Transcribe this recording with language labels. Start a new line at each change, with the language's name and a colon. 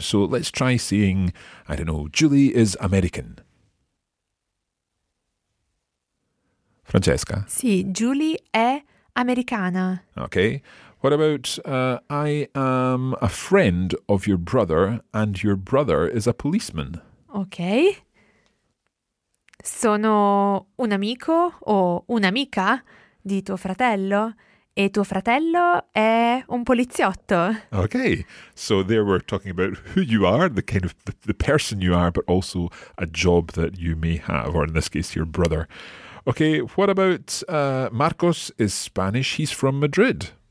English: So let's try saying, I don't know, Julie is American. Francesca?
Italian: Sì, Julie è americana.
English: Okay. What about, I am a friend of your brother and your brother is a policeman. Okay.
Italian: Sono un amico o un'amica di tuo fratello. E tuo fratello è un poliziotto.
English: Okay, so there we're talking about who you are, the kind of the person you are, but also a job that you may have, or in this case, your brother. Okay, what about Marcos is Spanish, he's from Madrid.